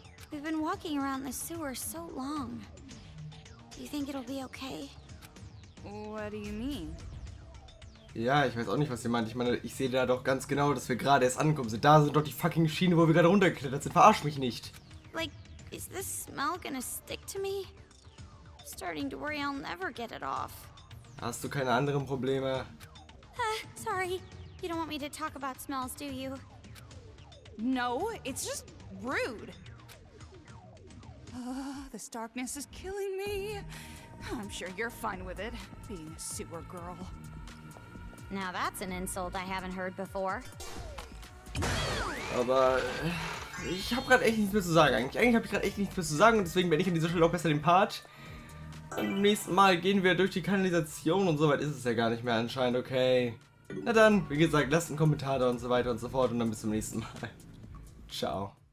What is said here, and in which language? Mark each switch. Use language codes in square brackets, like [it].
[en] We've been walking around the sewer so long. Do you think it'll be okay? What do you mean? [de] Ja, ich weiß auch nicht, was ihr meint. Ich meine, ich sehe da doch ganz genau, dass wir gerade erst angekommen sind. Da sind doch die fucking Schienen, wo wir gerade runtergeklettert sind. Verarsch mich nicht! [en] Like, is this smell gonna stick to me? I'm starting to worry I'll never get it off. [de] Hast du keine anderen Probleme? [en] Sorry. You don't want me to talk about smells, do you? No, it's just rude. This darkness is killing me. I'm sure you're fine with it, being a sewer girl. Now that's an insult I haven't heard before. [de] Aber... Ich habe gerade echt nichts mehr zu sagen. Eigentlich habe ich gerade echt nichts mehr zu sagen und deswegen bin ich an dieser Stelle auch besser den Part. Und im nächsten Mal gehen wir durch die Kanalisation und so weit ist es ja gar nicht mehr anscheinend, okay? Na dann, wie gesagt, lasst einen Kommentar da und so weiter und so fort und dann bis zum nächsten Mal. Ciao.